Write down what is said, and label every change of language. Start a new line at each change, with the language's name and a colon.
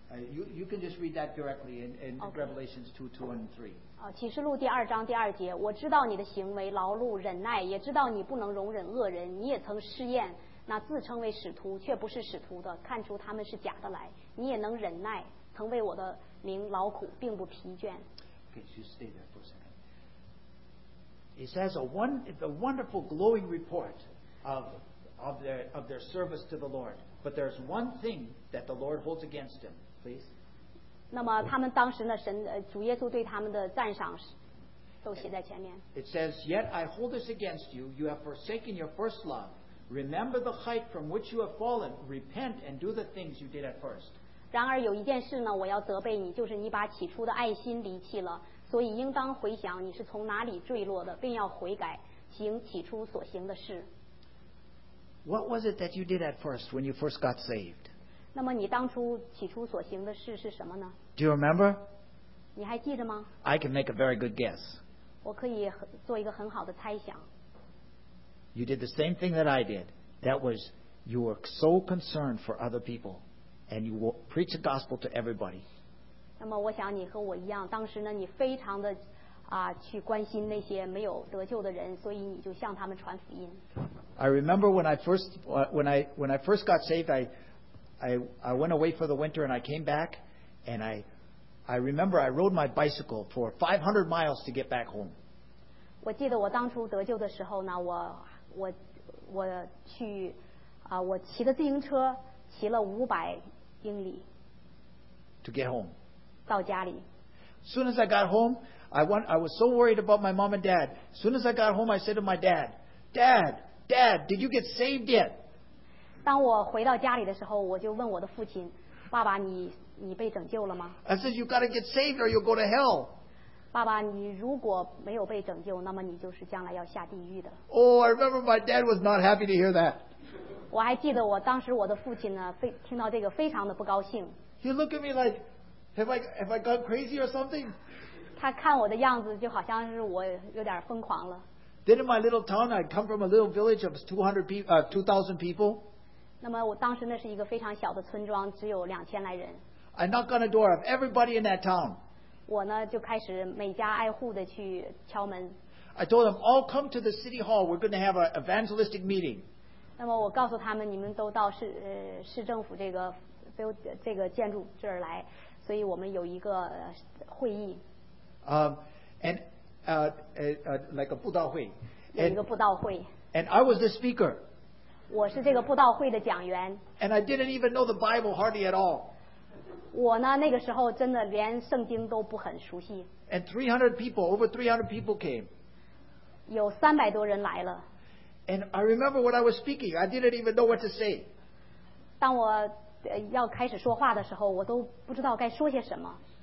English: You can just read that directly in okay. Revelations 2:2 and 3.
Chinese: 启示录第二章第二节, 我知道你的行为劳碌, 忍耐, 也知道你不能容忍恶人, 你也曾试验, 那自称为使徒, 却不是使徒的, 看出他们是假的来, 你也能忍耐, 曾为我的名劳苦, 并不疲倦。
English: Okay, just stay there for a second. It says a wonderful glowing report of their service to the Lord. But there's one thing that the Lord holds against them. Please. It says, yet I hold this against you. You have forsaken your first love. Remember the height from which you have fallen. Repent and do the things you did at first.
Chinese: 然而有一件事呢, 我要责备你, 就是你把起初的爱心离弃了, 所以应当回想你是从哪里坠落的, 并要悔改, 行起初所行的事。
English: What was it that you did at first when you first got saved?
Chinese: 那么你当初起初所行的事是什么呢?
English: Do you remember?
Chinese: 你还记得吗?
English: I can make a very good guess.
Chinese: 我可以做一个很好的猜想。
English: You did the same thing that I did. That was, you were so concerned for other people, and you preached the gospel to everybody.
Chinese: 那么我想你和我一样, 当时呢, 你非常的, 去关心那些没有得救的人, 所以你就向他们传福音。
English: I remember when I first got saved, I went away for the winter and I came back, and I remember I rode my bicycle for 500 miles to get back home.
Chinese: 我记得我当初得救的时候呢, 我去, 我骑的自行车, 骑了500英里,
English: to get home.
Chinese: 到家里。
English: As soon as I got home, I was so worried about my mom and dad. As soon as I got home, I said to my dad, Dad, Dad, did you get saved yet?
Chinese: 当我回到家里的时候, 我就问我的父亲, 爸爸, 你被拯救了吗?
English: I said, you've got to get saved or you'll go to hell.
Chinese: 爸爸, 你如果没有被拯救, 那么你就是将来要下地狱的。
English: Oh, I remember my dad was not happy to hear that.
Chinese: 我还记得我当时我的父亲呢, 听到这个, 非常的不高兴。
English: He looked at me like, have I gone crazy or something?
Chinese: 他看我的样子, 就好像是我有点疯狂了。
English: Then in my little town, I'd come from a little village of 2,000 people.
Chinese: 那么我当时那是一个非常小的村庄, 只有2,000来人。
English: I knocked on the door of everybody in that town.
Chinese: 我呢就开始每家挨户的去敲门。
English: I told them, all come to the city hall, we're going to have an evangelistic meeting.
Chinese: 那么我告诉他们, 你们都到市政府这个飞这个建筑这儿来，所以我们有一个会议。
English: Like a 布道会。
Chinese: 有一个布道会。
English: And I was the speaker.
Chinese: 我是这个布道会的讲员。
English: And I didn't even know the Bible hardly at all.
Chinese: 我呢那个时候真的连圣经都不很熟悉。
English: And 300 people came.
Chinese: 有300多人来了。
English: And I remember what I was speaking. I didn't even know what to say.
Chinese: 当我要开始说话的时候，我都不知道该说些什么。